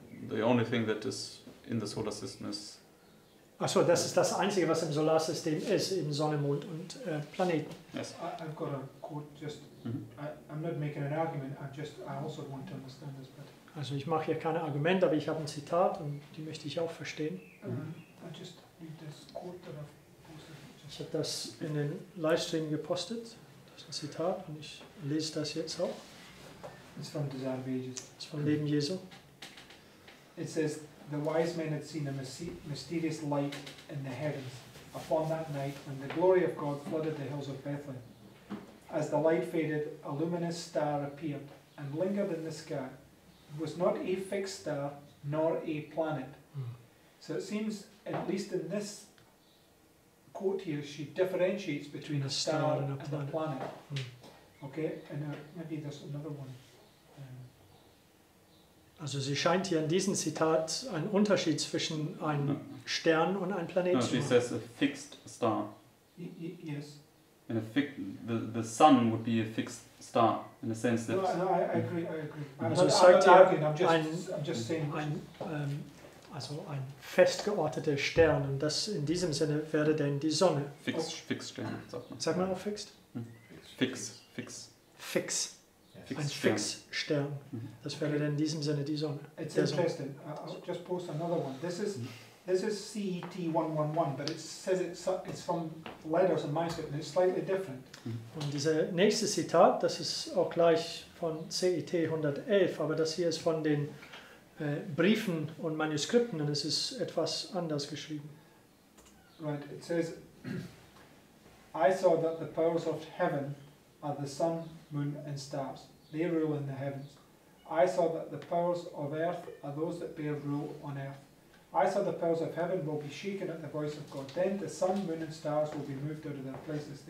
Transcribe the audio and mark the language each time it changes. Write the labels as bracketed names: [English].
[English] The only thing that is in the solar system is... [German] Ach so, das ist das Einzige, was im Solarsystem ist, eben Sonne, Mond und Planeten. [English] Yes. I've got a quote, just... I'm not making an argument, I also want to understand this, but... [German] Also ich mache hier keine Argumente, aber ich habe ein Zitat und die möchte ich auch verstehen. [English] I just read this quote that I've posted. [German] Ich habe das in den Livestream gepostet, das ist ein Zitat, und ich lese das jetzt auch. [English] It's from Design Pages. It's from Leben Jesu. It says, the wise men had seen a mysterious light in the heavens upon that night when the glory of God flooded the hills of Bethlehem. As the light faded, a luminous star appeared and lingered in the sky. It was not a fixed star nor a planet. So it seems, at least in this quote here, she differentiates between a star and a planet. Okay, and maybe there's another one. [German] Also sie scheint hier in diesem Zitat einen Unterschied zwischen einem Stern und einem Planeten zu machen. [English] No, she says a fixed star. Yes. And the sun would be a fixed star, in the sense that... No, I agree. [German] Also sagt hier, ein festgeortete Stern, und das in diesem Sinne wäre denn die Sonne. Fixed Stern, sagt man. Sag mal auch fixed? Fix. Ein Fixstern. Das wäre dann in diesem Sinne die Sonne. [English] It's interesting. I'll just post another one. This is This is CET111, but it says it's from letters and manuscript, and it's slightly different. [German] Und dieses nächste Zitat, das ist auch gleich von CET111, aber das hier ist von den Briefen und Manuskripten, und es ist etwas anders geschrieben. [English] Right, it says, I saw that the powers of heaven are the sun, moon and stars. They rule in the heavens. I saw that the powers of earth are those that bear rule on earth. I saw the powers of heaven will be shaken at the voice of God. Then the sun, moon and stars will be moved out of their places.